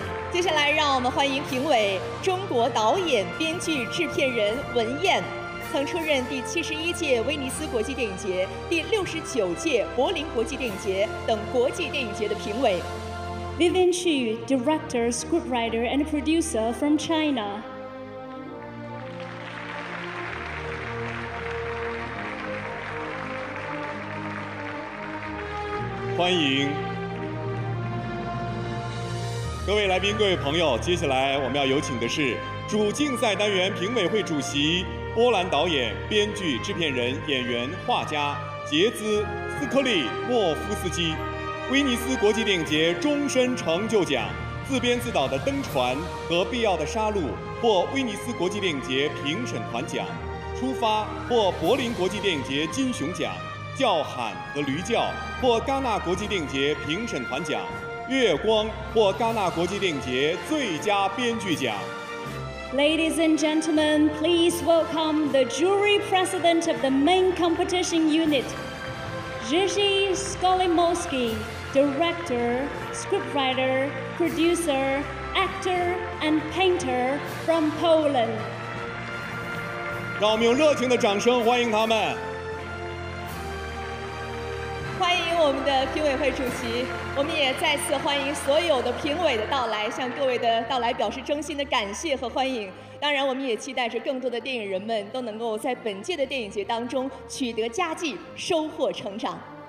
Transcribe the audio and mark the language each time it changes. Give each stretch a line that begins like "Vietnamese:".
Chinese: 接下来，让我们欢迎评委中国导演、编剧、制片人文燕。曾出任第71届威尼斯国际电影节、第69届柏林国际电影节等国际电影节的评委。
English: Vivian Xu, director, scriptwriter, and producer from China.
Chinese: 欢迎。各位来宾，各位朋友，接下来我们要有请的是主竞赛单元评委会主席、波兰导演、编剧、制片人、演员、画家杰兹·斯科利莫夫斯基，威尼斯国际电影节终身成就奖、自编自导的《登船》和《必要的杀戮》获威尼斯国际电影节评审团奖，《出发》获柏林国际电影节金熊奖，《叫喊》和《驴叫》获戛纳国际电影节评审团奖，《月光》获戛纳国际电影节最佳编剧奖。
English: Ladies and gentlemen, please welcome the jury president of the main competition unit, Jerzy Skolimowski, director, scriptwriter, producer, actor, and painter from Poland.
Chinese: 让我们用热情的掌声欢迎他们。欢迎我们的评委会主席，我们也再次欢迎所有的评委的到来，向各位的到来表示真心的感谢和欢迎。当然，我们也期待着更多的电影人们都能够在本届的电影节当中取得佳绩，收获成长。